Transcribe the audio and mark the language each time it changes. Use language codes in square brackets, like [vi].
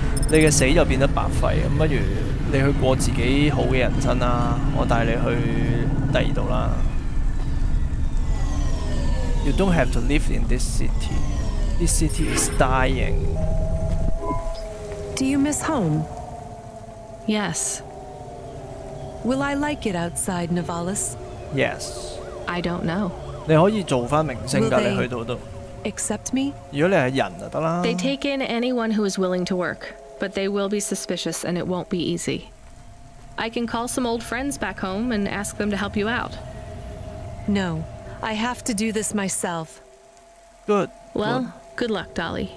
[yue] 你嘅死就變得白費，咁不如你去過自己好嘅人生啦。我帶你去第二度啦。 [en] You don't have to live in this city. This city is dying. Do you miss home? Yes. Will I like it outside Nivalis? Yes. I don't know. [yue] 你可以做翻明星㗎，你去到都。 [en] Accept me? [yue] 如果你係人就得啦。 [en] They take in anyone who is willing to work. But they will be suspicious, and it won't be easy. I can call some old friends back home and ask them to help you out. No, I have to do this myself. Good. Well, good luck, Dolly.